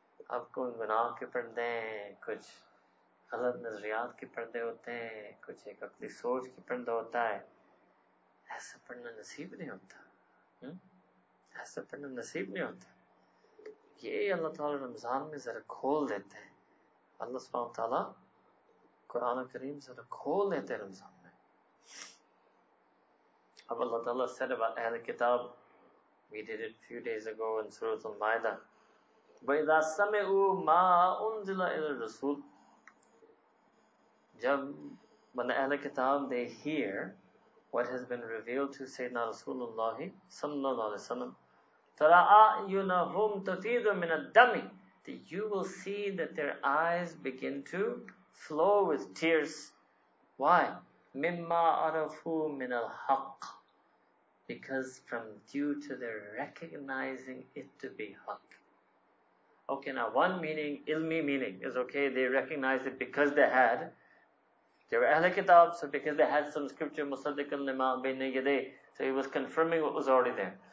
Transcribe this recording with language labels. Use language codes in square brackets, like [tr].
[ur] آپ کو گناہ کے پردے ہیں, کچھ غلط نظریات کے پردے ہوتے ہیں, کچھ ایک عقلی سوچ کے پردہ ہوتا ہے. ایسا پڑھنا نصیب نہیں ہوتا. ایسا پڑھنا نصیب نہیں ہوتا. یہ اللہ تعالیٰ رمضان میں ذرا کھول دیتے ہیں. اللہ سبحانہ وتعالیٰ قرآن کریم ذرا کھول دیتے ہیں رمضان میں. اب [en] اللہ تعالیٰ said about اہل کتاب, we did it a few days ago in سورۃ المائدہ. [ar] وَإِذَا سَمِعُوا مَا أُنزِلَ إِلَى الرَّسُولِ, [ur] جب من [en] اہل کتاب, they hear what has been revealed to سیدنا رسول اللہ صلی اللہ علیہ وسلم, [ar] تَرَا أَعْيُنَهُمْ تَفِيضُ مِنَ الدَّمِ, [en] that you will see that their eyes begin to flow with tears. Why? [ar] مِمَّا عَرَفُوا مِنَ الْحَقِّ, [en] because from due to their recognizing it to be haqq. Okay, now one meaning, ilmi meaning, is okay, they recognized it because they had, they were Ahle Kitab, so because they had some scripture, [ar] Musaddiqan lima bayna yaday, [en] so he was confirming what was already there.